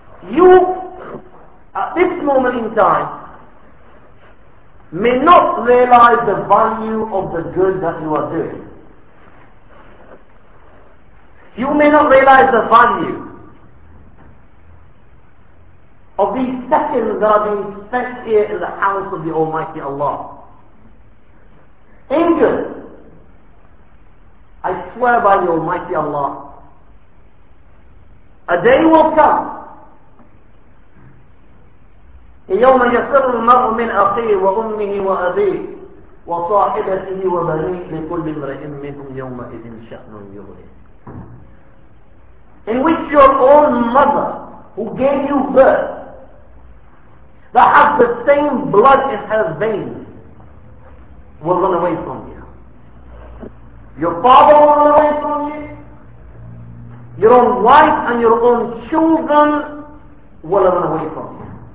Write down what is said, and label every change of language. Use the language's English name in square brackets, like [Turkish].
[English] You, at this moment in time, may not realize the value of the good that you are doing. You may not realize the value of these seconds that are being spent here in the house of the Almighty Allah. Angel, I swear by the Almighty Allah, a day will come, [Arabic] يَوْمَ يَسْرُ الْمَرْءُ مِنْ أَخِيهِ وَأُمِّهِ وَأَبِيهِ وَصَاحِبَتِهِ وَبَنِيهِ لِكُلِّ امْرِئٍ مِنْهُمْ يَوْمَئِذٍ شَأْنٌ يُغْنِيهِ. [English] In which your own mother who gave you birth, that has the same blood in her veins, will run away from you. Your father will run away from you. Your own wife and your own children will run away from you.